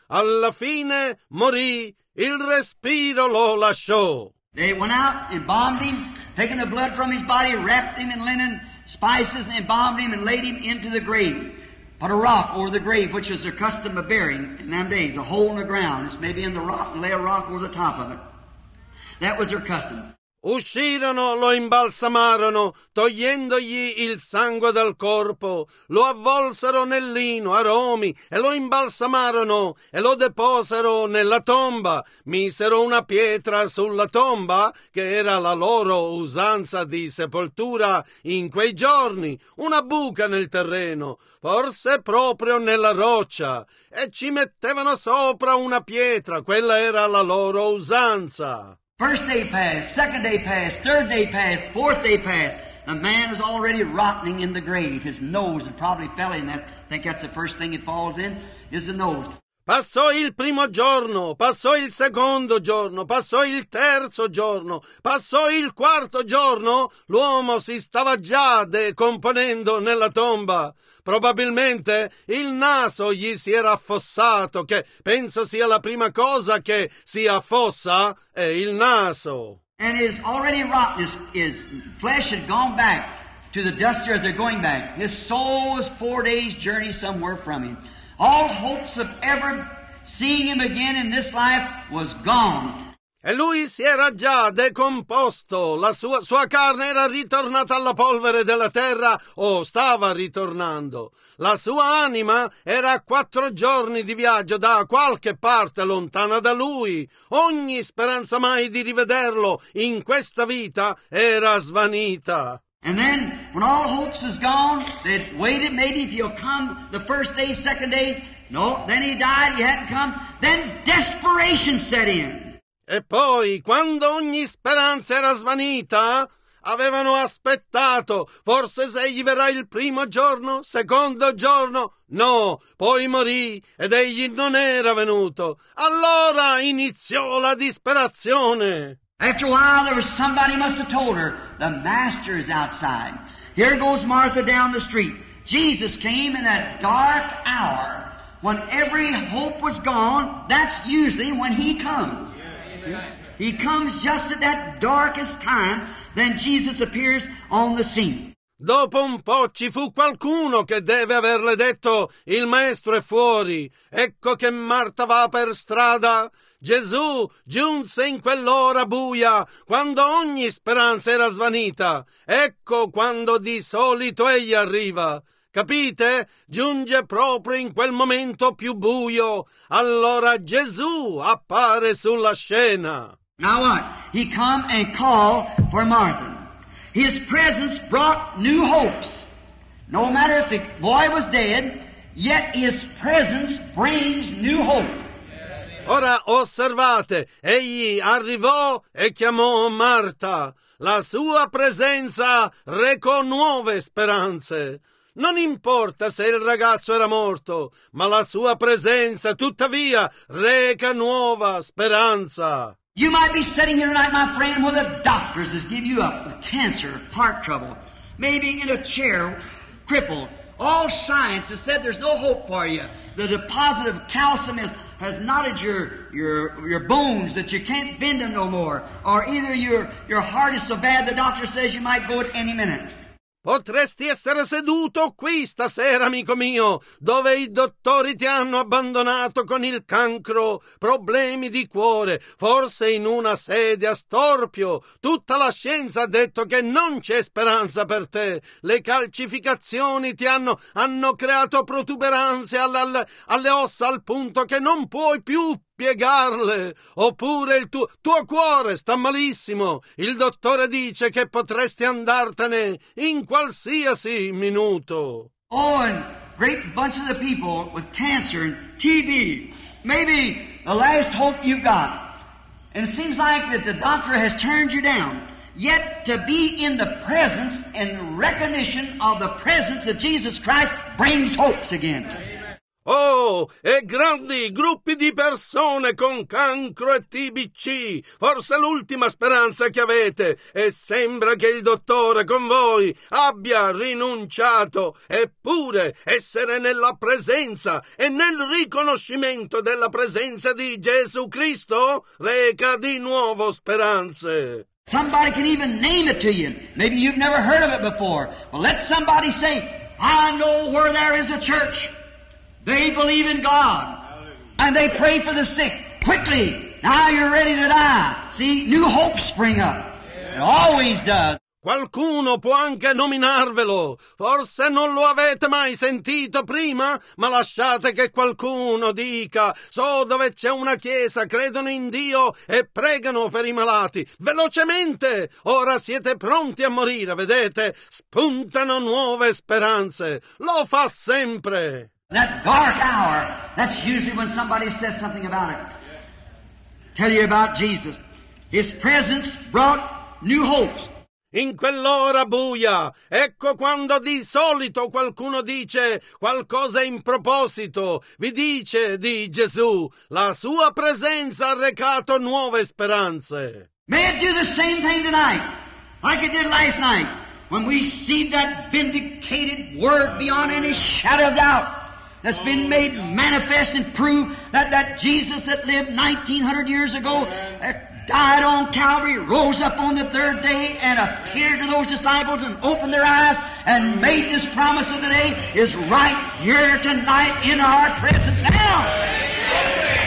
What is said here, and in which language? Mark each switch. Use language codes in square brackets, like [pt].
[it] Alla fine morì, il respiro lo lasciò. [en] They went out and embalmed him, taking the blood from his body, wrapped him in linen, spices, and embalmed him and laid him into the grave. Put a rock over the grave, which was their custom of burying in them days, a hole in the ground. It's maybe in the rock, and lay a rock over the top of it. That was their custom. [it] Uscirono, lo imbalsamarono, togliendogli il sangue dal corpo, lo avvolsero nel lino, aromi, e lo imbalsamarono, e lo deposero nella tomba, misero una pietra sulla tomba, che era la loro usanza di sepoltura in quei giorni, una buca nel terreno, forse proprio nella roccia, e ci mettevano sopra una pietra, quella era la loro usanza. [en] First day passed, second day passed, third day passed, fourth day passed. The man is already rotting in the grave. His nose had probably fell in that. I think that's the first thing it falls in, is the nose. [it] Passò il primo giorno, passò il secondo giorno, passò il terzo giorno, passò il quarto giorno. L'uomo si stava già decomponendo nella tomba. Probabilmente il naso gli si era affossato, che penso sia la prima cosa che si affossa, è il naso. [en] And is already rotten, his flesh had gone back to the dust earth, they're going back. His soul was 4 days' journey somewhere from him. All hopes of ever seeing him again in this life was gone. [it] E lui si era già decomposto, la sua carne era ritornata alla polvere della terra, o stava ritornando. La sua anima era a 4 giorni di viaggio da qualche parte lontana da lui. Ogni speranza mai di rivederlo in questa vita era svanita. [en] And then, when all hopes is gone, they'd waited, maybe if he'll come the first day, second day. No, then he died, he hadn't come. Then desperation set in. [it] E poi, quando ogni speranza era svanita, avevano aspettato, forse se egli verrà il primo giorno, secondo giorno, no, poi morì ed egli non era venuto. Allora iniziò la disperazione. [en] After a while, there was somebody must have told her, the master is outside. Here goes Martha down the street. Jesus came in that dark hour when every hope was gone. That's usually when he comes. He comes just at that darkest time, then Jesus appears on the scene. [it] Dopo un po' ci fu qualcuno che deve averle detto, il maestro è fuori. Ecco che Marta va per strada. Gesù giunse in quell'ora buia, quando ogni speranza era svanita. Ecco quando di solito egli arriva. Capite? Giunge proprio in quel momento più buio. Allora Gesù appare sulla scena. [en] Now what? He come and call for Martha. His presence brought new hopes. No matter if the boy was dead, yet his presence brings new hope. [it] Ora osservate, egli arrivò e chiamò Marta. La sua presenza recò nuove speranze. Non importa se il ragazzo era morto, ma la sua presenza, tuttavia, reca nuova speranza. [en] You might be sitting here tonight, my friend, where the doctors has given you up with cancer, heart trouble, maybe in a chair, crippled. All science has said there's no hope for you. The deposit of calcium has knotted your bones that you can't bend them no more. Or either your heart is so bad the doctor says you might go at any minute. [it] Potresti essere seduto qui stasera, amico mio, dove i dottori ti hanno abbandonato con il cancro, problemi di cuore, forse in una sedia storpio. Tutta la scienza ha detto che non c'è speranza per te. Le calcificazioni ti hanno creato protuberanze alle ossa al punto che non puoi più piegarle, oppure il tuo cuore sta malissimo. Il dottore dice che potresti andartene in qualsiasi minuto. [en] Oh, and great bunch of the people with cancer and TB, maybe the last hope you've got. And it seems like that the doctor has turned you down. Yet to be in the presence and recognition of the presence of Jesus Christ brings hopes again. [it] Oh, e grandi gruppi di persone con cancro e TBC, forse l'ultima speranza che avete, e sembra che il dottore con voi abbia rinunciato, eppure essere nella presenza e nel riconoscimento della presenza di Gesù Cristo reca di nuovo speranze. [en] Somebody can even name it to you. Maybe you've never heard of it before. Well, let somebody say, I know where there is a church. They believe in God, and they pray for the sick. Quickly, now you're ready to die. See, new hopes spring up. Yeah. Always does. [it] Qualcuno può anche nominarvelo. Forse non lo avete mai sentito prima, ma lasciate che qualcuno dica: so dove c'è una chiesa, credono in Dio e pregano per i malati. Velocemente! Ora siete pronti a morire, vedete? Spuntano nuove speranze. Lo fa sempre. [en] That dark hour, that's usually when somebody says something about it. Tell you about Jesus. His presence brought new hopes. [it] In quell'ora buia, ecco quando di solito qualcuno dice qualcosa in proposito, vi dice di Gesù, la sua presenza ha recato nuove speranze. [en] May it do the same thing tonight, like it did last night, when we see that vindicated word beyond any shadow of doubt that's been made manifest and proved that Jesus that lived 1900 years ago, died on Calvary, rose up on the third day, and appeared to those disciples and opened their eyes and made this promise of the day is right here tonight in our presence now.